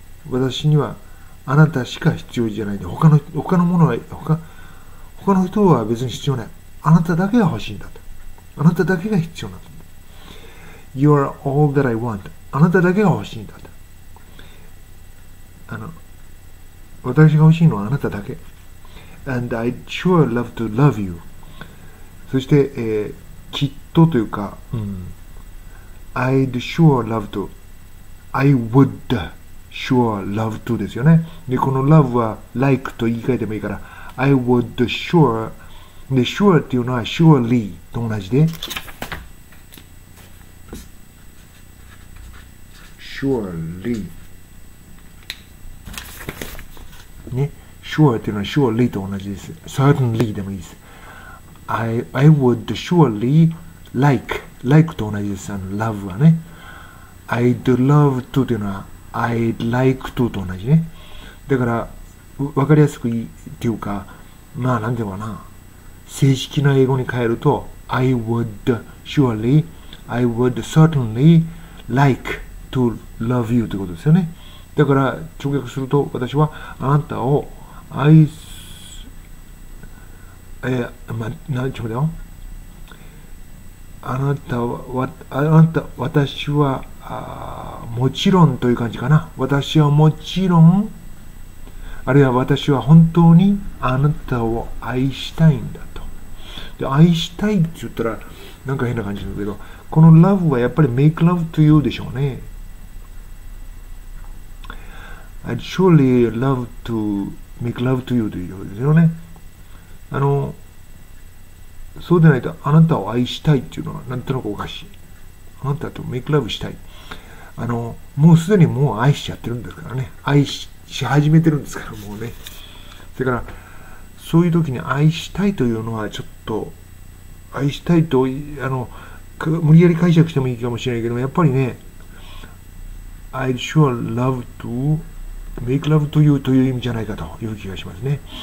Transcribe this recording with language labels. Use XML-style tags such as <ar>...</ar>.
<ja>私には、あなたしか必要じゃないんだ。他のものは、他の人は別に必要ない。あなただけが欲しいんだと。あなただけが必要なんだと。</ja> <en>You are all that I want.</en> <ja>あなただけが欲しいんだと。あの、私が欲しいのはあなただけ。</ja> <en>And I sure love to love you.</en> <ja>そして、きっとというか、うん、</ja> <en>I'd sure love to、 I would sure love to</en> <ja>ですよね。で、この love は like と言い換えてもいいから、</ja> <en>I would sure、</en> <ja>で、 sure っていうのは surely と同じで、 surely ね、 sure っていうのは surely と同じです。 certainly でもいいです。</ja> <en>I would surely like</en> <ja>と同じです。あの love はね、</ja> <en>I'd love to</en> <ja>というのは</ja> <en>I'd like to</en> <ja>と同じね。だから分かりやすくいいっていうか、まあ何ていうかな、正式な英語に変えると、</ja> <en>I would surely、 I would certainly like to love you</en> <ja>ということですよね。だから直訳すると、私はあなたを愛す、まあ、なんちゅうだよ、あなたは、あなた、私は、もちろんという感じかな。私はもちろん、あるいは私は本当にあなたを愛したいんだと。で、愛したいって言ったら、なんか変な感じだけど、この love はやっぱり</ja> <en>make love to you</en> <ja>でしょうね。</ja> <en>I'd surely love to make love to you</en> <ja>というですよね。あの、そうでないと、あなたを愛したいっていうのはなんとなくおかしい。あなたと</ja> <en>make love</en> <ja>したい。もうすでにもう愛しちゃってるんですからね、愛し始めてるんですから、もうね。それからそういう時に愛したいというのはちょっと、愛したいと無理やり解釈してもいいかもしれないけども、やっぱりね、</ja> <en>I sure love to make love to you</en> <ja>という意味じゃないかという気がしますね。</ja>